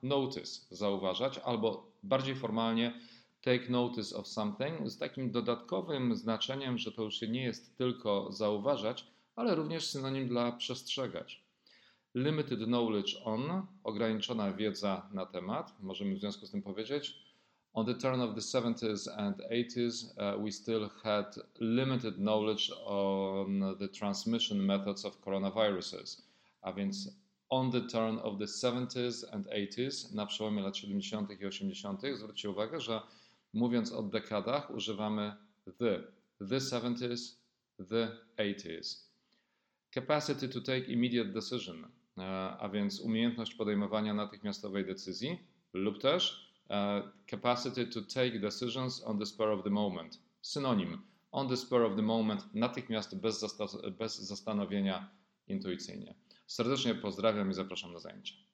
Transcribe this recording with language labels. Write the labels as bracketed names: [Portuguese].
[Polish] Notice, zauważać, albo bardziej formalnie [English] take notice of something, [Polish] z takim dodatkowym znaczeniem, że to już nie jest tylko zauważać, ale również synonim dla przestrzegać. [English] Limited knowledge on, [Polish] ograniczona wiedza na temat, możemy w związku z tym powiedzieć. [English] On the turn of the 70s and 80s, we still had limited knowledge on the transmission methods of coronaviruses. [Polish] A więc [English] on the turn of the 70s and 80s, [Polish] na przełomie lat 70. i 80., zwróćcie uwagę, że mówiąc o dekadach używamy the 70s, the 80s. [English] Capacity to take immediate decision. [Polish] A więc umiejętność podejmowania natychmiastowej decyzji lub też [English] capacity to take decisions on the spur of the moment. [Polish] Synonim, [English] on the spur of the moment, [Polish] natychmiast, bez zastanowienia, intuicyjnie. Serdecznie pozdrawiam i zapraszam na zajęcia.